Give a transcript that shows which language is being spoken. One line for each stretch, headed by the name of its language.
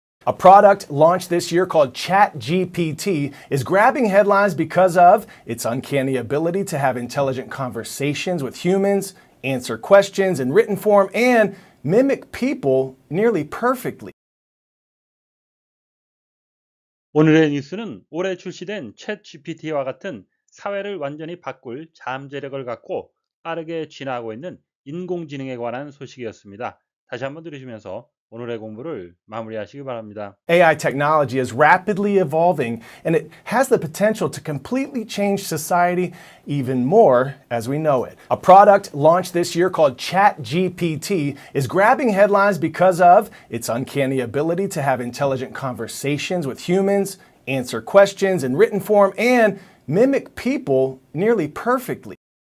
English: A product launched this year called ChatGPT is grabbing headlines because of its uncanny ability to have intelligent conversations with humans, answer questions in written form, and mimic people nearly perfectly.
Korean: 오늘의 뉴스는 올해 출시된 ChatGPT와 같은 사회를 완전히 바꿀 잠재력을 갖고 빠르게 진화하고 있는 인공지능에 관한 소식이었습니다. 다시 한번 들으시면서 오늘의 공부를 마무리하시기 바랍니다.
English: AI technology is rapidly evolving and it has the potential to completely change society even more as we know it. A product launched this year called ChatGPT is grabbing headlines because of its uncanny ability to have intelligent conversations with humans, answer questions in written form, and mimic people nearly perfectly.